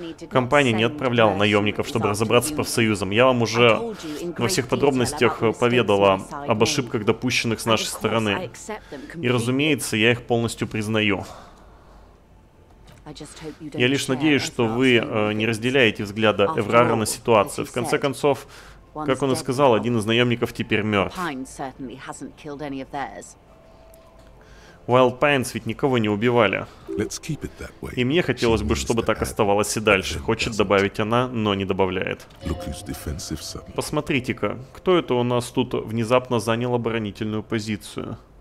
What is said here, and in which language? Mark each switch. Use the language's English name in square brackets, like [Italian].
[Russian] Компания не отправляла наемников, чтобы разобраться с профсоюзом. Я вам уже во всех подробностях поведала об ошибках, допущенных с нашей стороны. И, разумеется, я их полностью признаю. Я лишь надеюсь, что вы не разделяете взгляда Эврара на ситуацию. В конце концов, Как он и сказал, один из наемников теперь мертв. [English] Pine certainly hasn't killed any of theirs. [Russian] Wild Pines ведь никого не убивали. [English] Let's keep it that way. [Russian] И мне хотелось бы, чтобы так оставалось и дальше. Хочет добавить она, но не добавляет. Посмотрите-ка, кто это у нас тут внезапно занял оборонительную позицию?